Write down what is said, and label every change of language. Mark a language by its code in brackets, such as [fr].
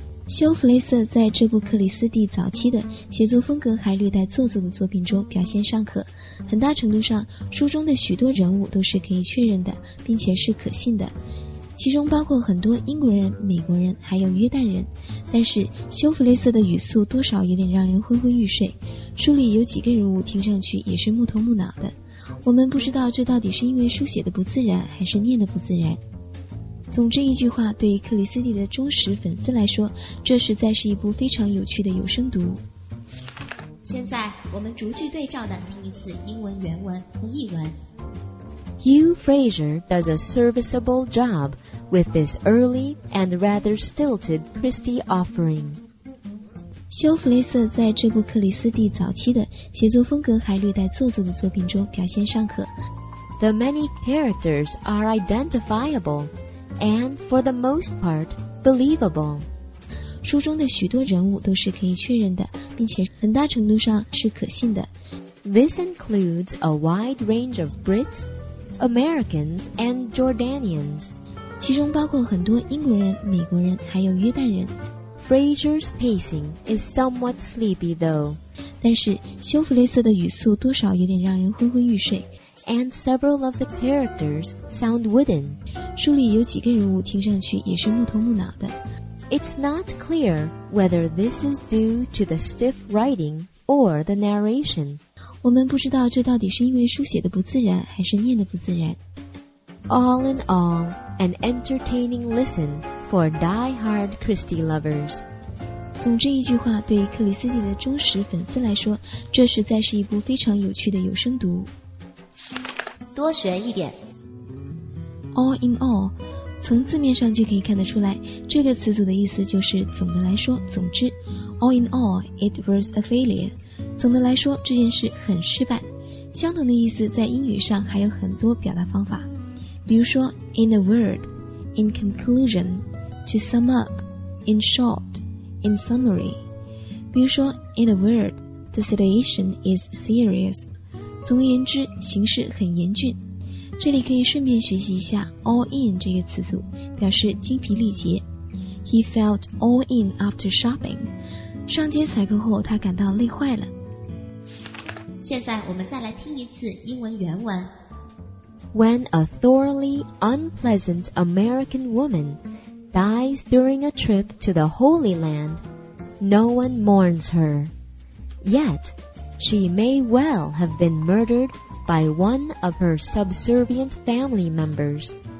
[zh] 休·弗雷瑟在这部克里斯蒂早期的写作风格还略带做作的作品中表现尚可，很大程度上书中的许多人物都是可以确认的并且是可信的，其中包括很多英国人、美国人还有约旦人，但是休·弗雷瑟的语速多少有点让人昏昏欲睡，书里有几个人物听上去也是木头木脑的，我们不知道这到底是因为书写的不自然还是念的不自然。总之一句话，对于克里斯蒂的忠实粉丝来说，这实在是一部非常有趣的有声读物。现在我们逐句对照的听一次英文原文和译文。 [en] Hugh Fraser does a serviceable job with this early and rather stilted Christie offering. [zh] 休·弗雷瑟在这部克里斯蒂早期的写作风格还略带做作的作品中表现尚可。 [en] The many characters are identifiable. And for the most part, believable. [zh] 书中的许多人物都是可以确认的，并且很大程度上是可信的。 [en] This includes a wide range of Brits, Americans, and Jordanians. [zh] 其中包括很多英国人、美国人还有约旦人。 [en] Fraser's pacing is somewhat sleepy, though. [zh] 但是休·弗雷瑟的语速多少有点让人昏昏欲睡。 [en] And several of the characters sound wooden. [zh] 书里有几个人物听上去也是木头木脑的。 [en] It's not clear whether this is due to the stiff writing or the narration. [zh] 我们不知道这到底是因为书写的不自然还是念的不自然。 [en] All in all, an entertaining listen for die-hard Christie lovers. [zh] 总之一句话，对于克里斯蒂的忠实粉丝来说，这实在是一部非常有趣的有声读物。多学一点。 All in all， 从字面上就可以看得出来，这个词组的意思就是总的来说，总之。 [en] All in all， it was a failure。 [zh] 总的来说，这件事很失败。相同的意思在英语上还有很多表达方法，比如说 in a word， in conclusion， to sum up， in short， in summary。比如说 [en] in a word， the situation is serious。 [zh] 总而言之，形势很严峻。这里可以顺便学习一下 all in 这个词组，表示精疲力竭。 [en] He felt all in after shopping. [zh] 上街采购后，他感到累坏了。现在我们再来听一次英文原文。 [en] When a thoroughly unpleasant American woman dies during a trip to the Holy Land, no one mourns her. Yet,She may well have been murdered by one of her subservient family members.